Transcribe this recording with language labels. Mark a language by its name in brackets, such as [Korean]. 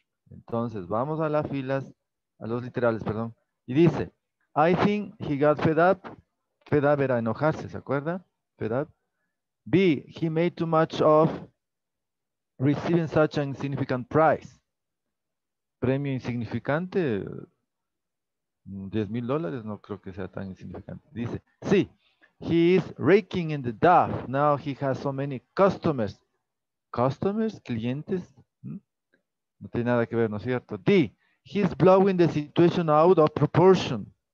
[Spanish] Entonces, vamos a las filas, a los literales, perdón. Y dice, [English] I think he got fed up. Fed up [Spanish] era enojarse, ¿se acuerda? [English] Fed up. B, he made too much of receiving such an insignificant prize. [Spanish] Premio insignificante. $10,000 no creo que sea tan insignificante. Dice, sí. [English] He is raking in the dough. Now he has so many customers. ¿Customers? ¿Clientes? [Spanish] No tiene nada que ver, ¿no es cierto? D. [English] He is blowing the situation out of proportion.